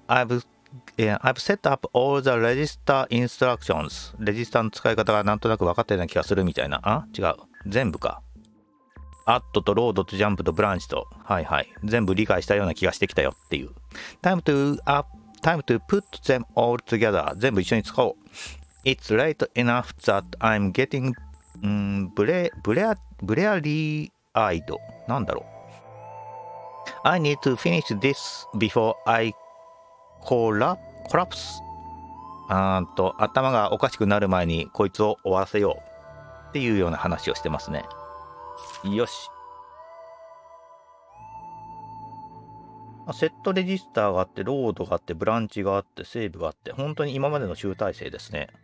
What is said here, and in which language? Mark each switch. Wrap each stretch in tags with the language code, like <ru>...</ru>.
<en>I've set up all the register instructions.</en> <ja>レジスタの使い方がなんとなく分かったような気がするみたいな。あ、違う。全部か。 add と load と jump と branch と。はいはい。全部理解したような気がしてきたよっていう。</ja> <en>time to put them all together.</en> <ja>全部一緒に使おう。</ja> <en>It's late enough that I'm getting back.</en> <ja>ブレアリーアイド。なんだろう。</ja> <en>I need to finish this before I collapse.</en> <ja>頭がおかしくなる前にこいつを終わらせようっていうような話をしてますね。よし。セットレジスターがあって、ロードがあって、ブランチがあって、セーブがあって、本当に今までの集大成ですね。</ja>